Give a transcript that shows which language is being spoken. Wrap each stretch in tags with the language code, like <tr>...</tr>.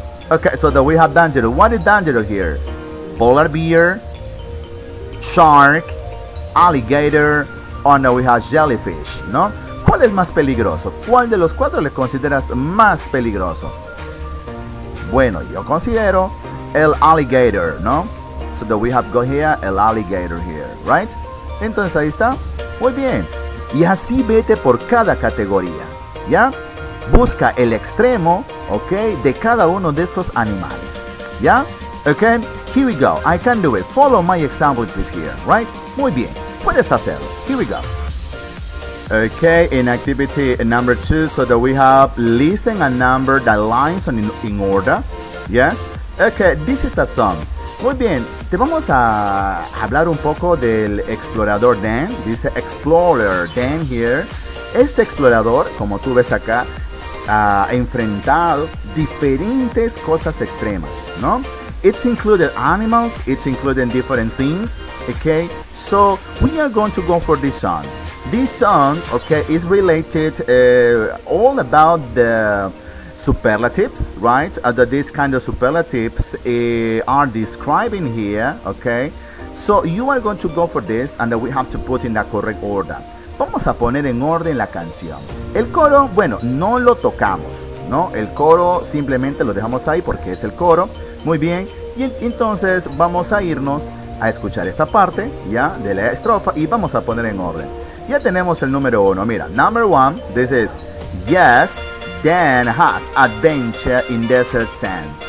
<en>Okay, so that we have dangerous. What is dangerous here? Polar bear, shark, alligator, or now we have jellyfish, ¿no?</en> <es>¿Cuál es más peligroso? ¿Cuál de los cuatro le consideras más peligroso? Bueno, yo considero el alligator, ¿no?</es> <en>So that we have got here, el alligator here, right?</en> <es>Entonces ahí está, muy bien. Y así vete por cada categoría, ¿ya? Busca el extremo, ¿ok? De cada uno de estos animales, ¿ya?</es> <en>Ok, here we go, I can do it. Follow my example, please, here, right?</en> <es>Muy bien, puedes hacerlo,</es> <en>here we go. Ok, in activity number 2, so that we have listen and number the lines in order, ¿yes? Ok, this is a song.</en> <es>Muy bien, te vamos a hablar un poco del explorador Dan. Dice</es> <en>Explorer Dan here.</en> <es>Este explorador, como tú ves acá, ha enfrentado diferentes cosas extremas, ¿no?</es> <en>It's included animals, it's included different things, okay? So, we are going to go for this song. This song, okay, is related all about the superlatives, right? That these kind of superlatives are describing here, okay? So you are going to go for this, and we have to put in the correct order.</en> <es>vamos a poner en orden la canción. El coro, bueno, no lo tocamos, ¿no? El coro simplemente lo dejamos ahí porque es el coro. Muy bien, y entonces vamos a irnos a escuchar esta parte, ¿ya? De la estrofa, y vamos a poner en orden. Ya tenemos el número uno, mira,</es> <en>number one, this is Yes, Dan has adventure in desert sand.</en>